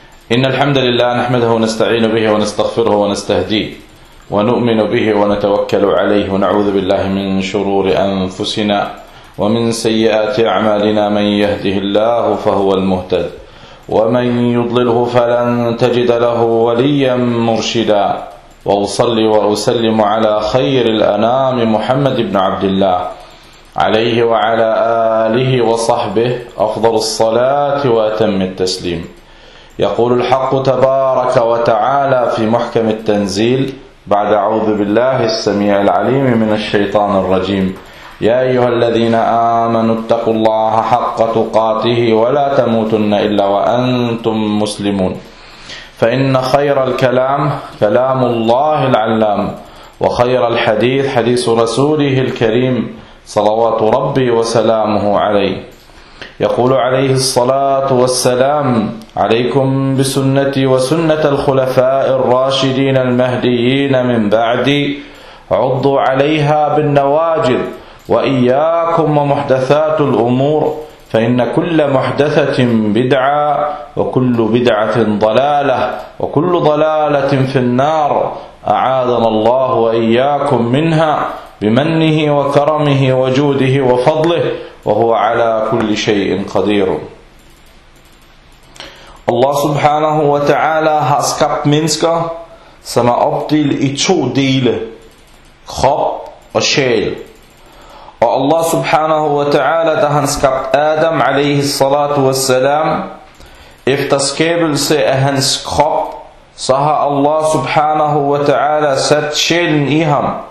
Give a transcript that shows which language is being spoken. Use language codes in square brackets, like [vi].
[ar] Inna alhamdulillah, nahmadahu wa nasta'inu bihi wa nastaghfiruhu wa nastahdihi wa nu'minu bihi wa natawakkalu alayhi wa na'udhu billahi min shururi anfusina wa min sayyiati a'malina man yahdihillahu fahuwa al-muhtad ومن يضلله فلن تجد له وليا مرشدا وأصلي وأسلم على خير الأنام محمد بن عبد الله عليه وعلى آله وصحبه أفضل الصلاة وأتم التسليم. يقول الحق تبارك وتعالى في محكم التنزيل بعد أعوذ بالله السميع العليم من الشيطان الرجيم: يا أيها الذين آمنوا اتقوا الله حق تقاته ولا تموتن إلا وأنتم مسلمون. فإن خير الكلام كلام الله العلام، وخير الحديث حديث رسوله الكريم صلوات ربي وسلامه عليه. يقول عليه الصلاة والسلام: عليكم بسنتي وسنة الخلفاء الراشدين المهديين من بعدي، عضوا عليها بالنواجذ، وإياكم ومحدثات الأمور، فإن كل محدثة بدعة، وكل بدعة ضلالة، وكل ضلالة في النار، أعاذنا الله وإياكم منها بمنه وكرمه وجوده وفضله، وهو على كل شيء قدير. [da] الله سبحانه وتعالى has skabt mennesker, som er opdelt i to dele, krop og sjæl. Og Allah subhanahu wa ta'ala, da han skabte Adam alayhi salatu wa salam, efter skabelse af hans krop, så har Allah subhanahu wa ta'ala sat sjælen i ham.